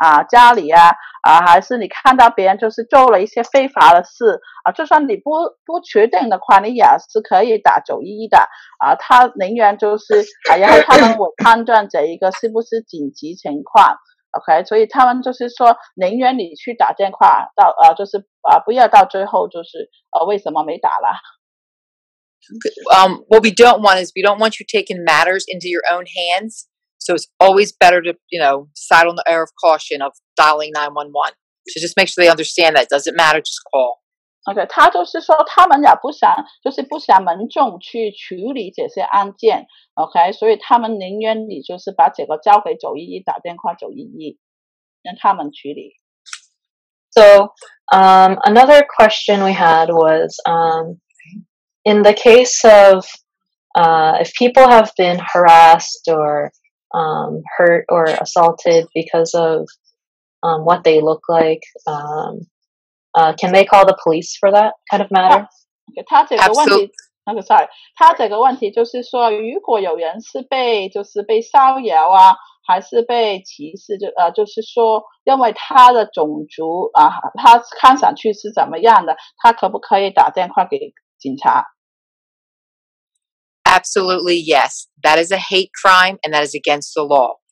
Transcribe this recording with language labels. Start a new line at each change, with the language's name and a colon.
Chinese: 家里还是你看到别人就是做了一些非法的事就算你不确定的话你也是可以打911的他宁愿就是然后他们会判断这一个是不是紧急情况 OK 所以他们就是说宁愿你去打电话到就是不要到最后就是为什么没打了
English: What we don't want is we don't want you taking matters into your own handsSo it's always better to, you know, side on the air of caution of dialing 911. So just make sure they understand that. Doesn't matter, just call.
Chinese: Okay, 他就是说他们也不想，就是不想民众去处理这些案件。 Okay, 所以他们宁愿你就是把这个交给911打电话911，让他们处理。
English: So, another question we had was, in the case of, if people have been harassed or hurt or assaulted because of what they look like. Can they call the police for that kind of matter? Absolutely.
Chinese: 还是被歧视，就是说，因为他的种族啊，他看上去是怎么样的，他可不可以打电话给警察？
English: Absolutely, yes. That is a hate crime, and that is against the law.